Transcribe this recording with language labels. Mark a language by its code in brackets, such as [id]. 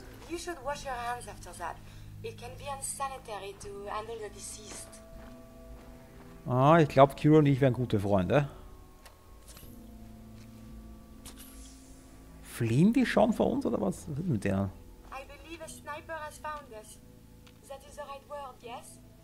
[en] You should wash your hands after that. It can be unsanitary to handle the deceased. [de] Ah, ich glaube, Kiro und ich wären gute Freunde. Fliehen die schon vor uns oder was? Was ist mit denen? [en] I believe a sniper has found us. That is the right word, yes?